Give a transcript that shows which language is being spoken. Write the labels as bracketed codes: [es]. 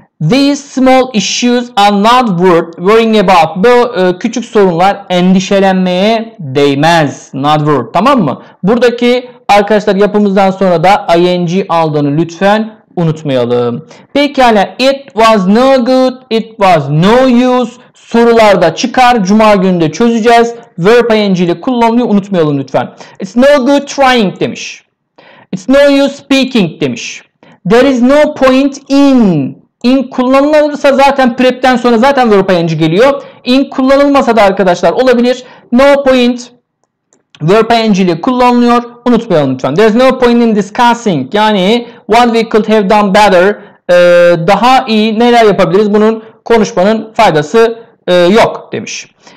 [en] These small issues are not worth worrying about. [tr] Bu küçük sorunlar endişelenmeye değmez. Not worth, tamam mı? Buradaki arkadaşlar yapımızdan sonra da ing aldığını lütfen unutmayalım. [en] Pekala, it was no good, it was no use. [tr] Sorular da çıkar. Cuma gününde çözeceğiz. Verb ing ile kullanmayı unutmayalım lütfen. [en] It's no good trying demiş. It's no use speaking demiş. There is no point in [tr] in kullanılırsa zaten prep'ten sonra zaten verb ing geliyor. In kullanılmasa da arkadaşlar olabilir. No point verb ing ile kullanılıyor. Unutmayalım lütfen. [en] There's no point in discussing. Yani what we could have done better. [tr] Daha iyi neler yapabiliriz? Bunun konuşmanın faydası yok demiş.